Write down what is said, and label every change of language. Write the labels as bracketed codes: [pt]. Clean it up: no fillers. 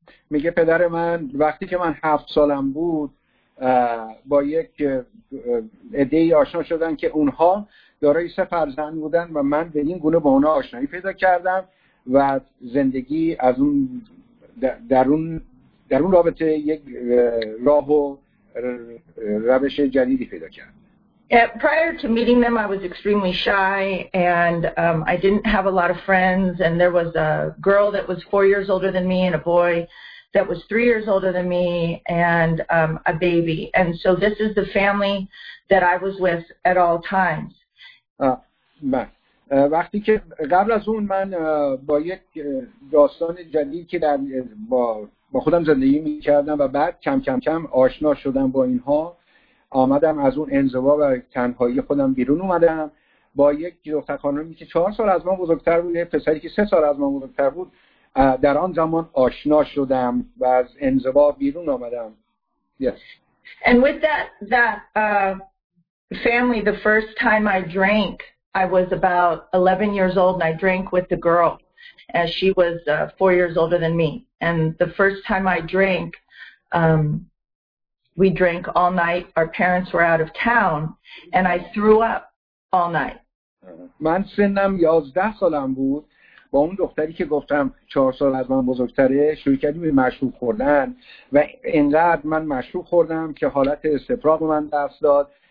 [fa] میگه پدر من وقتی که من 7 سالم بود با یک عده‌ای آشنا شدن که اونها دارای 3 فرزند بودن و من به این گونه با اونا آشنایی پیدا کردم و زندگی از اون در اون رابطه یک راه و روش جدیدی پیدا کرد. [en] Prior to meeting them, I was extremely shy and I didn't have a lot of friends, and there was a girl that was 4 years older than me and a boy that was 3 years older than me and a baby. And so this is the family that I was with at all times. [fa] وقتی که قبل از اون من با یک داستان جدید که در با خودم زندگی می کردم و بعد کم آشنا شدم با اینها، آمدم از اون انزوا و تنهایی خودم بیرون اومدم با یک دختر خانمی که 4 سال از من بزرگتر بود، پسری که 3 سال از من بزرگتر بود، در آن زمان آشنا شدم و از انزوا بیرون آمدم. [en] Yes. And with that family, the first time I drank, I was about 11 years old and I drank with the girl as she was 4 years older than me. And the first time I drank, we drank all night. Our parents were out of town and I threw up all night. [fa] من سنم 11 سالم بود با اون دختری که گفتم 4 سال از من بزرگتره، شروع کردیم به مشروب خوردن و اینقدر من مشروب خوردم که حالت استفراغ من دست داد.